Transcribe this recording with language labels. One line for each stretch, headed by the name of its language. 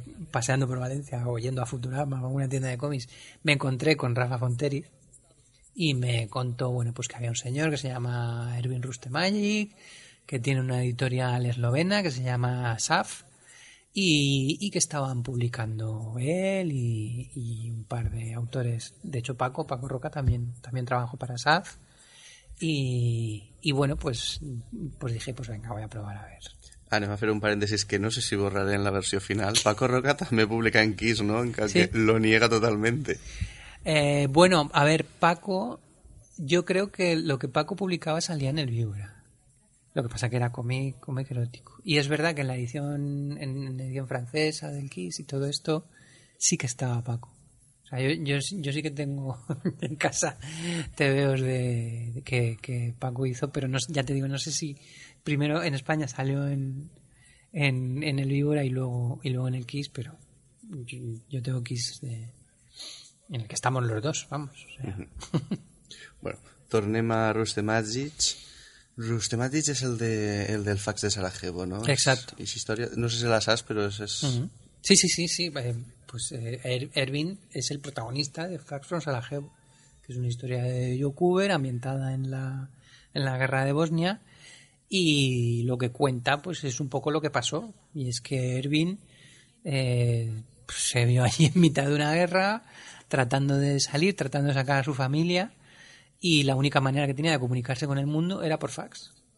Spanish: paseando por Valencia o yendo a Futurama o a una tienda de cómics, me encontré con Rafa Fonteriz y me contó, bueno, pues que había un señor que se llama Erwin Rustemagic, que tiene una editorial eslovena que se llama SAF, y que estaban publicando él y un par de autores, de hecho Paco Roca también trabajó para SAF, y bueno, pues dije, pues venga, voy a probar a ver.
Catalan: Anem a fer un parèntesis que no sé si borraré en la versió final. Paco Roca també publica en Kiss, ¿no? En cas sí.
Spanish: Que lo niega totalmente. Bueno, a ver, Paco... Yo creo que lo que Paco publicaba salía en el Vibra. Lo que pasa que era cómic erótico. Y es verdad que en la edición en edición francesa del Kiss y todo esto sí que estaba Paco. O sea, yo sí que tengo en casa TVOs de que Paco hizo, pero no, ya te digo, no sé si... Primero en España salió en el Víbora y luego en el Kiss, pero yo tengo Kiss de, en el que estamos los dos, vamos. O sea.
Catalan: Bueno, tornem a Rustemagic. Rustemagic és el del fax de Sarajevo, no?
Spanish: Exacto.
Catalan: És història, no sé si la saps, però és... Uh-huh.
Spanish: Sí, sí, sí, sí. Pues Ervin es el protagonista de Fax from Sarajevo, que es una historia de Joe Kubert ambientada en la guerra de Bosnia, y lo que cuenta pues es un poco lo que pasó, y es que Ervin pues, se vio allí en mitad de una guerra tratando de salir, tratando de sacar a su familia, y la única manera que tenía de comunicarse con el mundo era por fax.